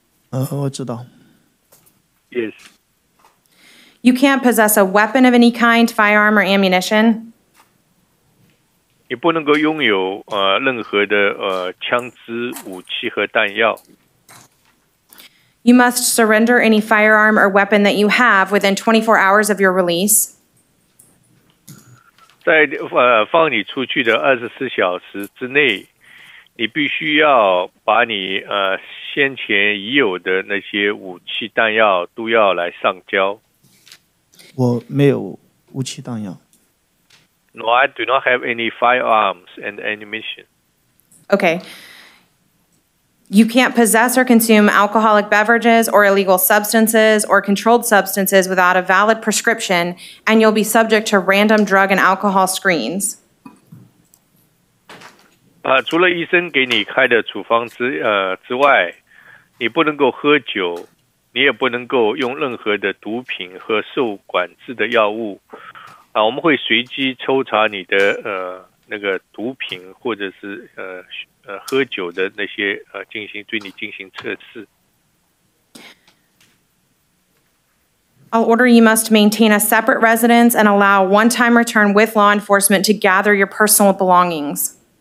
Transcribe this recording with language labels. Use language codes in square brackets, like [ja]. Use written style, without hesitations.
[zh] 我知道。 [en] Yes. You can't possess a weapon of any kind, firearm or ammunition. [zh] 你不能够拥有任何的枪支、武器和弹药。 [en] You must surrender any firearm or weapon that you have within 24 hours of your release. [zh] 在放你出去的24小时之内，你必须要把你先前已有的那些武器弹药都要来上交。我没有武器弹药。 [en] No, I do not have any firearms and ammunition. Okay. You can't possess or consume alcoholic beverages or illegal substances or controlled substances without a valid prescription, and you'll be subject to random drug and alcohol screens. [zh] 除了医生给你开的处方之外，你不能够喝酒，你也不能够用任何的毒品和受管制的药物。我们会随机抽查你的那个毒品或者是喝酒的那些进行对你进行测试。 [en] I'll order you must maintain a separate residence and allow one-time return with law enforcement to gather your personal belongings.